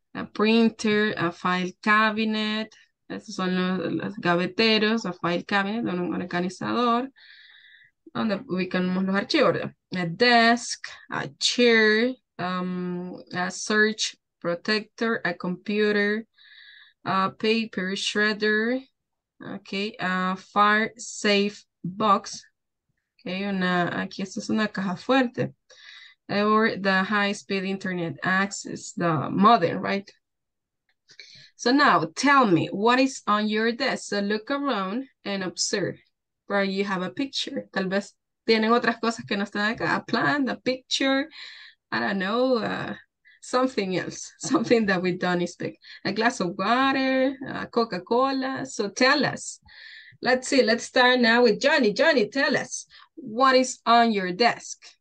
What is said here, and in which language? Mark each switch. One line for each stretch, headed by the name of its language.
English: A printer, a file cabinet,
Spanish: estos son los gaveteros,
English: a file cabinet,
Spanish: un organizador, donde ubicamos los archivos,
English: a desk, a chair, a search protector, a computer, a paper shredder, okay, a fire safe box, okay,
Spanish: aquí esto es una caja fuerte.
English: Or the high-speed internet access, the modem, right? So now, tell me, what is on your desk? So look around and observe. Where you have a picture.
Spanish: Tal vez tienen otras cosas que no están acá.
English: A plant, a picture, I don't know, something else. Something that we don't expect. A glass of water, Coca-Cola. So tell us. Let's see, let's start now with Johnny. Johnny, tell us, what is on your desk?